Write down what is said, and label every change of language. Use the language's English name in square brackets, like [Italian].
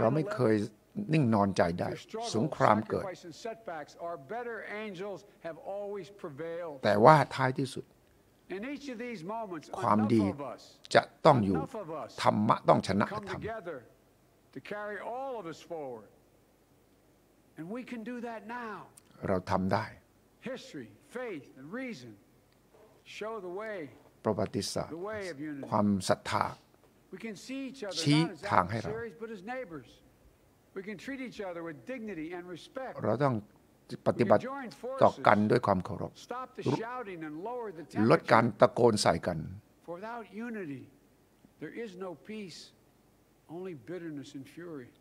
[Thai] เราไม่เคยนิ่งนอนใจได้สงครามเกิด [English] setbacks, our better angels have always prevailed. [Thai] แต่ว่าท้ายที่สุด [English] In each of these moments, [Thai] ความดีจะต้องอยู่ธรรมะต้องชนะธรรม [English] Come together to carry all of us forward. And we can do that now. [Thai] เราทำได้ [English] History, faith, and reason show the way. [Thai] ประวัติศาสตร์ความศรัทธา [English] We can see each other. [Thai] ชี้ทางให้เรา [English] But as neighbors, we can treat each other with dignity and respect. [Thai] เราต้องปฏิบัติต่อกันด้วยความเคารพ [English] Stop the shouting and lower the temperature. [Thai] ลดการตะโกนใส่กัน [English] For without unity, there is no peace, only bitterness and fury.